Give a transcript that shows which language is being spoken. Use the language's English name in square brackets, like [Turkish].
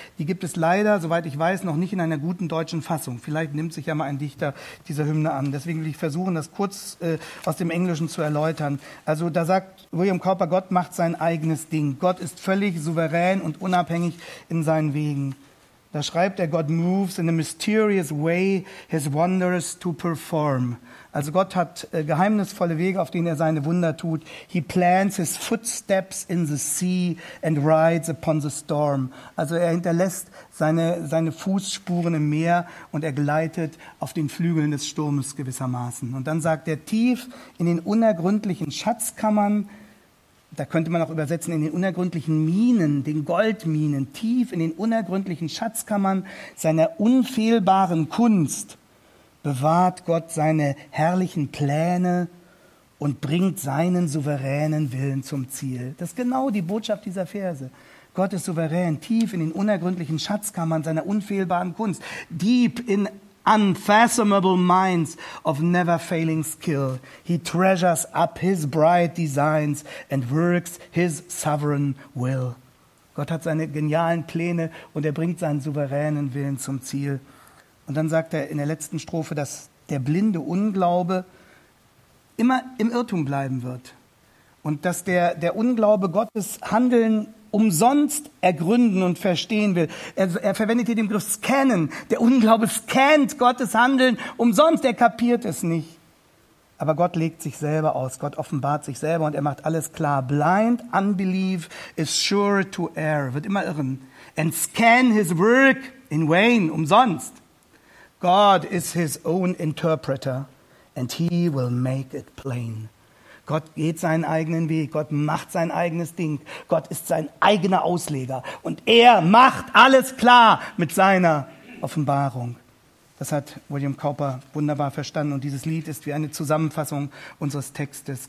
[German] Die gibt es leider, soweit ich weiß, noch nicht in einer guten deutschen Fassung. Vielleicht nimmt sich ja mal ein Dichter dieser Hymne an. Deswegen will ich versuchen, das kurz aus dem Englischen zu erläutern. Also da sagt William Cowper, Gott macht sein eigenes Ding. Gott ist völlig souverän und unabhängig in seinen Wegen. Da schreibt er, [English] God moves in a mysterious way his wonders to perform. [German] Also Gott hat geheimnisvolle Wege, auf denen er seine Wunder tut. [English] He plants his footsteps in the sea and rides upon the storm. [German] Also er hinterlässt seine Fußspuren im Meer und er gleitet auf den Flügeln des Sturmes gewissermaßen. Und dann sagt er, tief in den unergründlichen Schatzkammern, da könnte man auch übersetzen, in den unergründlichen Minen, den Goldminen, tief in den unergründlichen Schatzkammern seiner unfehlbaren Kunst bewahrt Gott seine herrlichen Pläne und bringt seinen souveränen Willen zum Ziel. Das ist genau die Botschaft dieser Verse. Gott ist souverän, tief in den unergründlichen Schatzkammern seiner unfehlbaren Kunst, [English] deep in unfathomable minds of never failing skill. He treasures up his bright designs and works his sovereign will. [German] Gott hat seine genialen Pläne und er bringt seinen souveränen Willen zum Ziel. Und dann sagt er in der letzten Strophe, dass der blinde Unglaube immer im Irrtum bleiben wird. Und dass der Unglaube Gottes Handeln umsonst ergründen und verstehen will. Er verwendet hier den Begriff scannen. Der Unglaube scannt Gottes Handeln umsonst, er kapiert es nicht. Aber Gott legt sich selber aus, Gott offenbart sich selber und er macht alles klar. [English] Blind unbelief is sure to err, [German] wird immer irren. [English] And scan his work in vain, umsonst. God is his own interpreter and he will make it plain. [German] Gott geht seinen eigenen Weg, Gott macht sein eigenes Ding, Gott ist sein eigener Ausleger und er macht alles klar mit seiner Offenbarung. Das hat William Cowper wunderbar verstanden und dieses Lied ist wie eine Zusammenfassung unseres Textes.